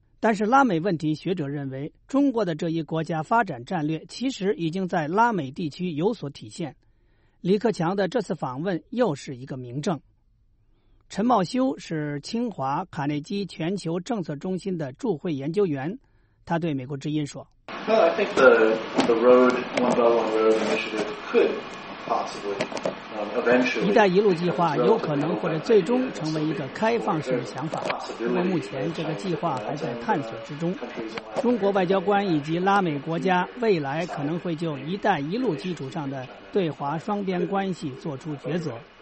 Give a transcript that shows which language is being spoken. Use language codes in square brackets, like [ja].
[zh] 但是拉美问题学者认为，中国的这一国家发展战略其实已经在拉美地区有所体现，李克强的这次访问又是一个明证。陈茂修是清华卡内基全球政策中心的驻会研究员，他对美国之音说， [en] No, I think the road, One Belt, One Road initiative could possibly... [zh] 一带一路计划有可能或者最终成为一个开放式的想法，因为目前这个计划还在探索之中。中国外交官以及拉美国家未来可能会就一带一路基础上的对华双边关系做出抉择。